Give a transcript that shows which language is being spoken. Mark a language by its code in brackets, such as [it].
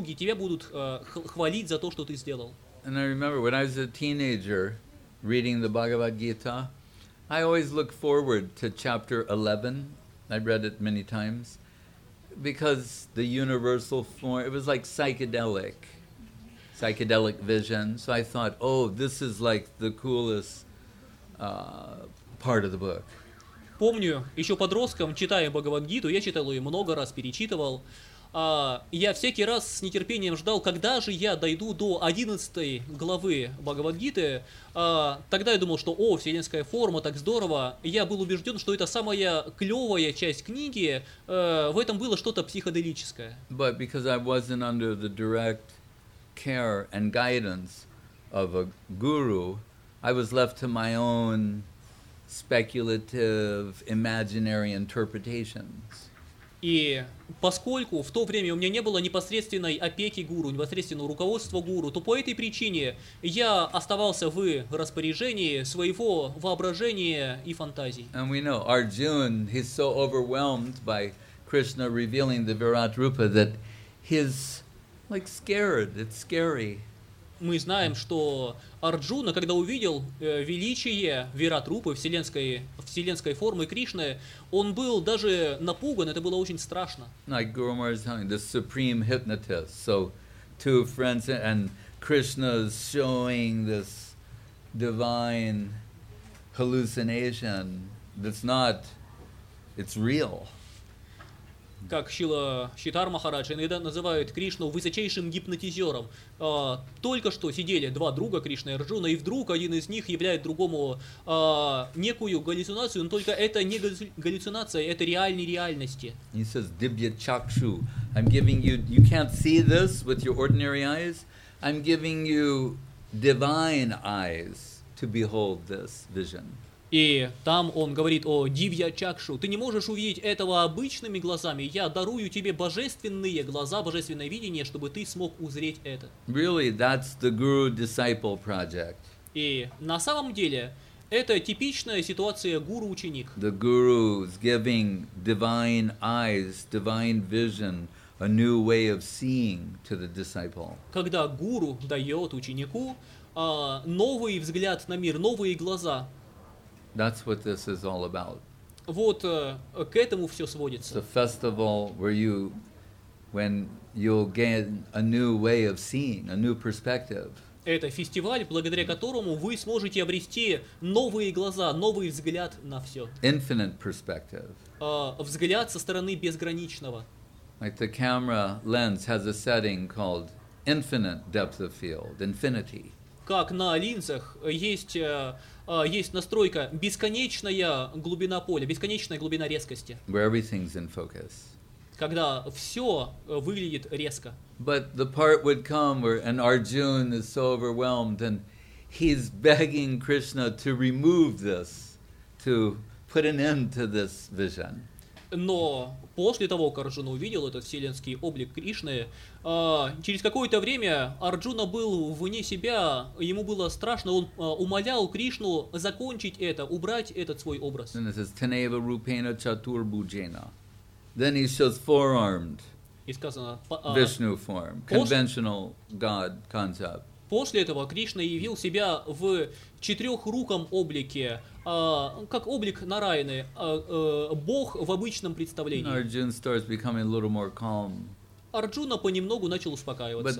[ru] Тебя будут хвалить за то, что ты сделал. [en] And I remember when I was a teenager reading the Bhagavad-gita, I always look forward to chapter 11. I read it many times because the universal form, it was like psychedelic vision. So I thought, oh, this is like the coolest part of the book. [ru] Помню, еще подростком, читая Бхагавад-гиту, я читал ее много раз, перечитывал. Я всякий раз с нетерпением ждал, когда же я дойду до 11 главы Бхагавад-гиты. Тогда я думал, что, о, вселенская форма, так здорово. Я был убежден, что это самая клевая часть книги. В этом было что-то психоделическое. [en] But because I wasn't under the direct care and guidance of a guru, I was left to my own speculative, imaginary interpretations. [ru] И поскольку в то время у меня не было непосредственной опеки гуру, непосредственного руководства гуру, то по этой причине я оставался в распоряжении своего воображения и фантазий. [en] And we know Arjuna, he's so overwhelmed by Krishna revealing the Virat Rupa that he's like scared, it's scary. [ru] мы знаем, что Арджуна, когда увидел величие Вератрупы вселенской формы Кришны, он был даже напуган, это было очень страшно. [en] Like Guru Maharaj is telling, the supreme hypnotist. So two friends and Krishna's showing this divine hallucination that's not, it's real. [ru] Как Шрила Шритар Махарадж иногда называют Кришну высочайшим гипнотизером. Только что сидели два друга, Кришна и Арджуна, и вдруг один из них являет другому некую галлюцинацию, но только это не галлюцинация, это реальные реальности. [en] He says, Dibya Chakshu, I'm giving you, you can't see this with your ordinary eyes, I'm giving you divine eyes to behold this vision. [ru] И там он говорит о Дивья Чакшу. Ты не можешь увидеть этого обычными глазами. Я дарую тебе божественные глаза, божественное видение, чтобы ты смог узреть это. [en] Really, that's the Guru Disciple Project. [ru] И на самом деле, это типичная ситуация гуру-ученик. [en] The Guru is giving divine eyes, divine vision, a new way of seeing to the disciple. [ru] Когда гуру дает ученику новый взгляд на мир, новые глаза. [en] That's what this is all about. [ru] Вот к этому все сводится. [en] It's a festival where you, when you'll gain a new way of seeing, a new perspective. [ru] Это фестиваль, благодаря которому вы сможете обрести новые глаза, новый взгляд на все. [en] Infinite perspective. [ru] Взгляд со стороны безграничного. [en] Like the camera lens has a setting called infinite depth of field, infinity. [ru] Как на линзах есть настройка бесконечная глубина поля, бесконечная глубина резкости. [en] Where everything's in focus. [ru] Когда все выглядит резко. [en] But the part would come where an Arjuna is so overwhelmed and he's begging Krishna to remove this, to put an end to this vision. [ru] Но после того, как Арджуна увидел этот вселенский облик Кришны, через какое-то время Арджуна был вне себя, ему было страшно, он умолял Кришну закончить это, убрать этот свой образ. [en] And it says, Taneva Rupena Chatur Bhujena. Then he shows four-armed Vishnu form, conventional god concept. [ru] После этого Кришна явил себя в четырехруком облике, как облик Нараяны, Бог в обычном представлении. [en] Arjuna starts becoming a little more calm. [ru] Арджуна понемногу начал успокаиваться.